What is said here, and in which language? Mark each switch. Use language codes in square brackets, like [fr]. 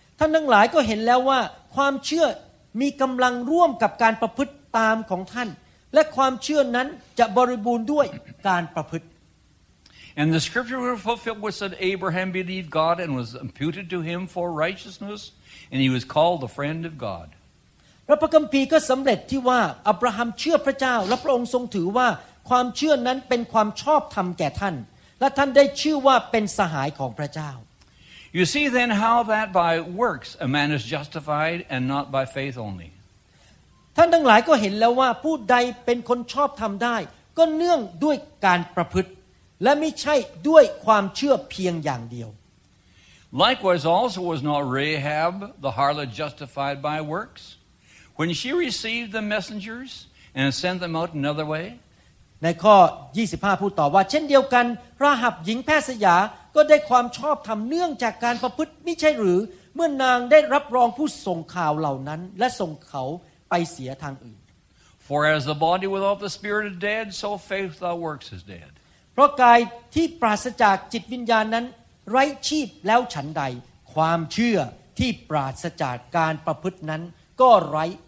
[th] ท่านทั้งหลายก็เห็นแล้วว่าความเชื่อมีกำลังร่วมกับการประพฤติตามของท่านและความเชื่อนั้นจะบริบูรณ์ด้วยการประพฤติ [en] And the scripture was fulfilled which said Abraham believed God and was imputed to him for righteousness and he was called the friend of God [th] พระคัมภีร์ก็สำเร็จที่ว่าอับราฮัมเชื่อพระเจ้าและพระองค์ทรงถือว่าความเชื่อนั้นเป็นความชอบธรรมแก่ท่านและท่านได้ชื่อว่าเป็นสหายของพระเจ้า [en] You see then how that by works a man is justified and not by faith only [th] ท่านทั้งหลายก็เห็นแล้วว่าผู้ใดเป็นคนชอบธรรมได้ก็เนื่องด้วยการประพฤติและไม่ใช่ด้วยความเชื่อเพียงอย่างเดียว [en] Likewise also was not Rahab the harlot justified by worksWhen she received the messengers and sent them out another way, [th] ในข้อ25พูดต่อว่าเช่นเดียวกันราหับหญิงแพทย์สยาก็ได้ความชอบธรรมเนื่องจากการประพฤติมิใช่หรือเมื่อนางได้รับรองผู้ส่งข่าวเหล่านั้นและส่งเขาไปเสียทางอื่น [en] For as the body without the spirit is dead, so faith without works is dead. [th] เพราะกายที่ปราศจากจิตวิญญาณนั้นไร้ชีพแล้วฉันใดความเชื่อที่ปราศจากการประพฤตินั้นก็ไร้